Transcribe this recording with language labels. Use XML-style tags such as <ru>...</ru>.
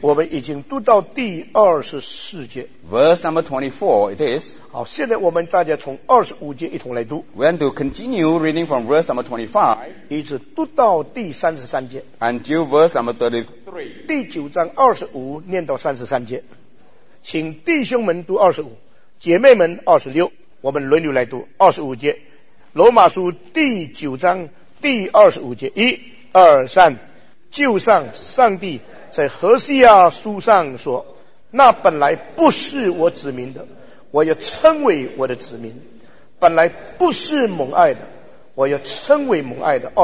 <zh>我们已经读到第二十四节。</zh> <en>Verse number 24 it is.</en> <zh>好，现在我们大家从二十五节一同来读。</zh> <en>We're going to continue reading from verse number 25.</en> <zh>一直读到第三十三节。</zh> <en>Until verse number 33.</en> <zh>第九章二十五念到三十三节。请弟兄们读二十五，姐妹们二十六，我们轮流来读二十五节，罗马书第九章第二十五节，一、二、三，就像上帝在何西亚书上说，那本来不是我子民的，我要称为我的子民；本来不是蒙爱的，我要称为蒙爱的。</zh>